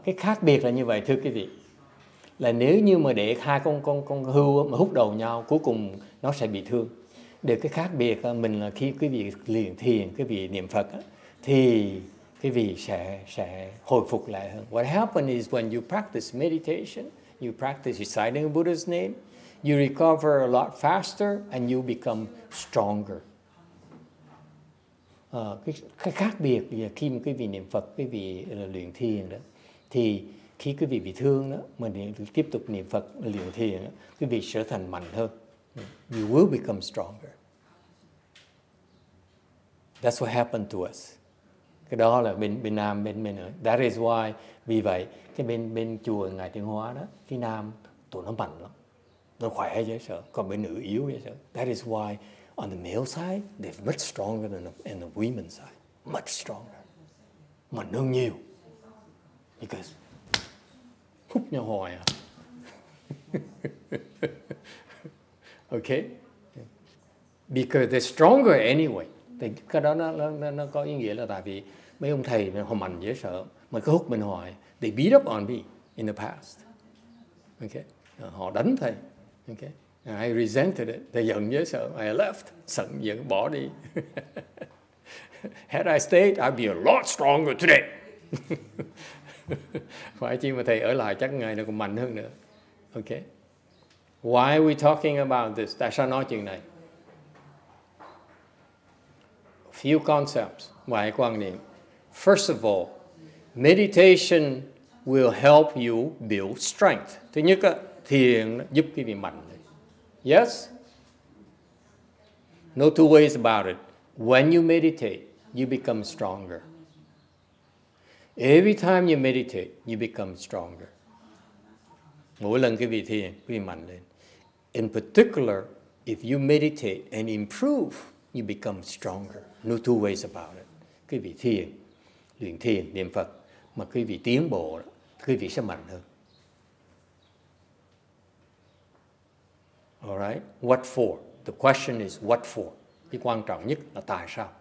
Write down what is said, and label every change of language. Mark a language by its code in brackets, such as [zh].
[vi] Cái khác biệt là như vậy thưa quý vị. Là nếu như mà để hai con hươu mà húc đầu nhau, cuối cùng nó sẽ bị thương. Được cái khác biệt mình là khi quý vị luyện thiền, quý vị niệm Phật thì quý vị sẽ hồi phục lại hơn. [en] What happens is when you practice meditation, you practice reciting Buddha's name, you recover a lot faster and you become stronger. [vi] Cái khác biệt là khi mà quý vị niệm Phật, quý vị luyện thiền đó, thì khi quý vị bị thương đó, mình tiếp tục niệm Phật, luyện thiền đó, quý vị trở thành mạnh hơn. [en] You will become stronger. That's what happened to us. [vi] Cái đó là bên Nam, bên ở. [en] That is why, [vi] vì vậy, cái bên chùa Ngài Tiên Hóa đó, phía Nam, tụi nó mạnh lắm. Nó khỏe dễ sợ, còn bên nữ yếu dễ sợ. [en] That is why, on the male side, they're much stronger than on the women's side. Much stronger. [vi] Mạnh hơn nhiều. Because, húp nhau hoài à. [en] Okay, because they're stronger anyway. [vi] Thì cái đó nó có ý nghĩa là tại vì mấy ông thầy họ mạnh dễ sợ, mà cứ húc mình hoài. [en] They beat up on me in the past. Okay, [vi] họ đánh thầy. [en] Okay, and I resented it. They [vi] giận dễ sợ. [en] I left, [vi] giận dữ bỏ đi. [en] Had I stayed, I'd be a lot stronger today. [vi] Phải chi mà thầy ở lại chắc ngày nó còn mạnh hơn nữa. [en] Okay. Why are we talking about this? [vi] Tại sao nói chuyện này? [en] Few concepts. Why [vi] quan niệm? [en] First of all, meditation will help you build strength. [vi] Thứ nhất, thiền giúp quý vị mạnh. [en] Yes? No two ways about it. When you meditate, you become stronger. Every time you meditate, you become stronger. [vi] Mỗi lần quý vị thiền, quý vị mạnh lên. [en] In particular, if you meditate and improve, you become stronger. No two ways about it. [vi] Quý vị thiền, luyện thiền, niệm Phật, mà quý vị tiến bộ, quý vị sẽ mạnh hơn. [en] All right? What for? The question is what for? [vi] Cái quan trọng nhất là tại sao?